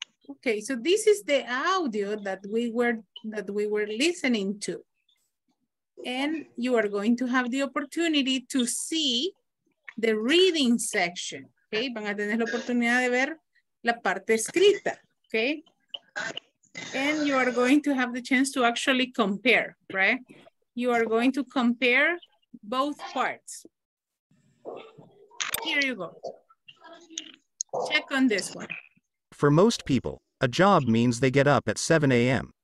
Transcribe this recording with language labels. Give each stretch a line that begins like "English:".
English: Okay, so this is the audio that we were listening to. And you are going to have the opportunity to see the reading section.
Spanish: Okay, van a tener la oportunidad de ver la parte escrita.
English: Okay. And you are going to have the chance to actually compare, right? You are going to compare both parts. Here you go. Check on this one. For most people, a job means they get up at 7 a.m.